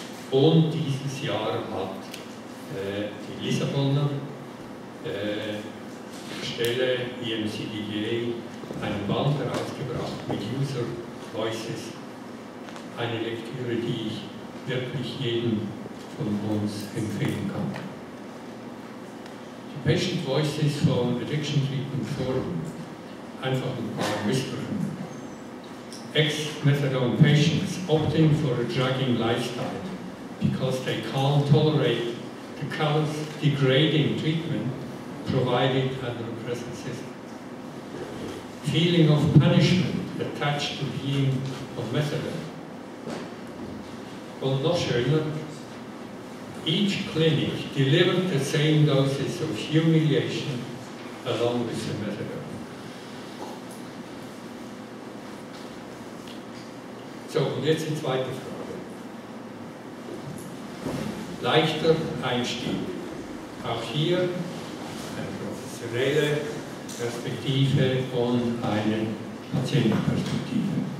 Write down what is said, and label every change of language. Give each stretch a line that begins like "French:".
German: Und dieses Jahr hat die Lissabonner Stelle IMCDGA einen Band herausgebracht mit User Voices. Eine Lektüre, die ich wirklich jedem von uns empfehlen kann. Die Patient Voices von Addiction Treatment Forum. Einfach ein paar Whisperungen.
English: Ex-Methadone patients opting for a drugging lifestyle because they can't tolerate the callous, degrading treatment provided under the present system. Feeling of punishment attached to being of methadone. Well, not sure. Each clinic delivered the same doses of humiliation along with the methadone.
German: So, und jetzt die zweite Frage. Leichter Einstieg. Auch hier eine professionelle Perspektive und eine Patientenperspektive.